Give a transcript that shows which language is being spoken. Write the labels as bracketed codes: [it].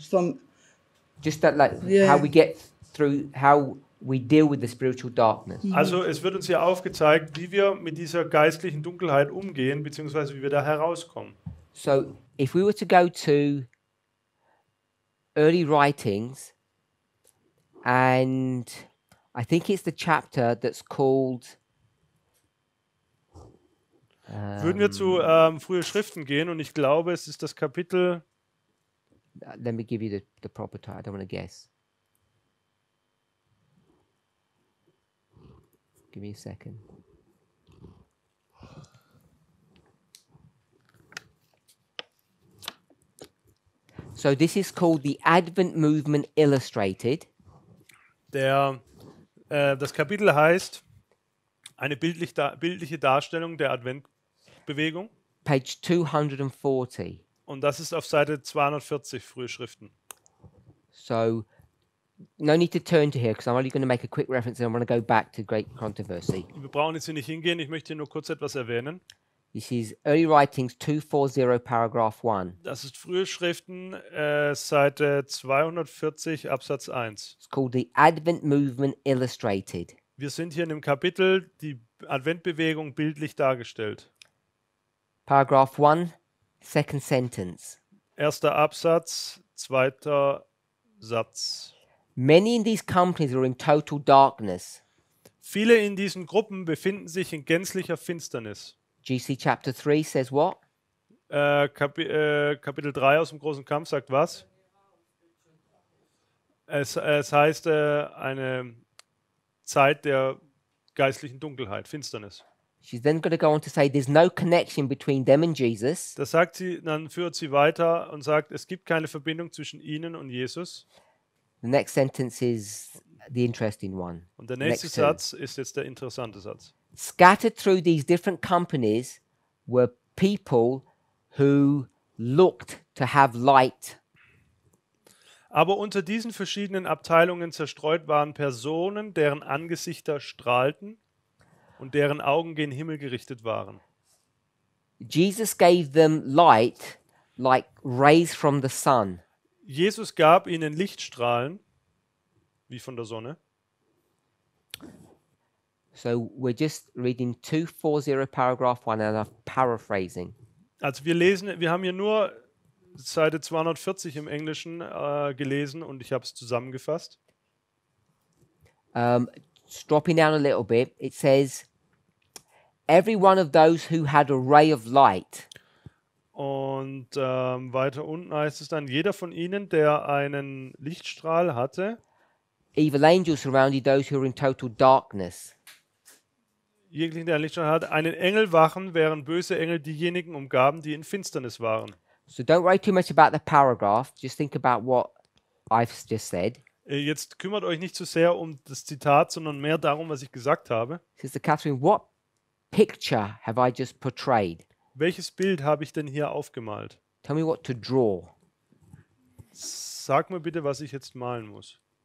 [en] How we get through, how we deal with the spiritual darkness. [de] Also es wird uns hier aufgezeigt, wie wir mit dieser geistlichen Dunkelheit umgehen, beziehungsweise wie wir da herauskommen. [en] So, if we were to go to early writings, and I think it's the chapter that's called. [de] Würden wir zu frühe Schriften gehen, und ich glaube, es ist das Kapitel. [en] Let me give you the proper title. I don't want to guess. Give me a second. So this is called the Advent Movement Illustrated. [de] Das Kapitel heißt eine bildliche Darstellung der Adventbewegung. [en] Page 240. [de] Und das ist auf Seite 240 frühe Schriften. [en] So, no need to turn to here, because I'm only going to make a quick reference and I'm going to go back to Great Controversy. [de] Wir brauchen jetzt hier nicht hingehen, ich möchte hier nur kurz etwas erwähnen. [en] This is Early Writings 240, Paragraph 1. [de] Das ist frühe Schriften, Seite 240, Absatz 1. [en] It's called the Advent Movement Illustrated. [de] Wir sind hier in dem Kapitel, die Adventbewegung bildlich dargestellt. [en] Paragraph 1, second sentence. [de] Erster Absatz, zweiter Satz. [en] Many in these companies are in total darkness. [de] Viele in diesen Gruppen befinden sich in gänzlicher Finsternis. [en] GC chapter 3 says what? [de] Kapitel 3 aus dem großen Kampf sagt was? Es heißt eine Zeit der geistlichen Dunkelheit, Finsternis. [en] She's then going to go on to say there's no connection between them and Jesus. [de] Das sagt sie, dann führt sie weiter und sagt, es gibt keine Verbindung zwischen ihnen und Jesus. [en] The next sentence is the interesting one. [de] Und der nächste Satz ist jetzt der interessante Satz. [en] Scattered through these different companies were people who looked to have light. [de] Aber unter diesen verschiedenen Abteilungen zerstreut waren Personen, deren Angesichter strahlten und deren Augen gen Himmel gerichtet waren. [en] Jesus gave them light like rays from the sun. [de] Jesus gab ihnen Lichtstrahlen wie von der Sonne. [en] So we're just reading 240 paragraph 1 and I'm paraphrasing. [de] Also wir haben hier nur Seite 240 im Englischen gelesen und ich habe es zusammengefasst. [en] Dropping down a little bit, it says, every one of those who had a ray of light. [de] Und weiter unten heißt es dann, jeder von ihnen, der einen Lichtstrahl hatte. [en] Evil angels surrounded those who were in total darkness. [de] Jeglichen, der ein Lichtstrahl hatte, einen Engel wachen, während böse Engel diejenigen umgaben, die in Finsternis waren. [en] So don't worry too much about the paragraph, just think about what I've just said. [de] Jetzt kümmert euch nicht so sehr um das Zitat, sondern mehr darum, was ich gesagt habe. [en] Sister Catherine, what picture have I just portrayed? [de] Welches Bild habe ich denn hier aufgemalt? [en] Tell me what to draw. [de] Sag mir bitte, was ich jetzt malen muss.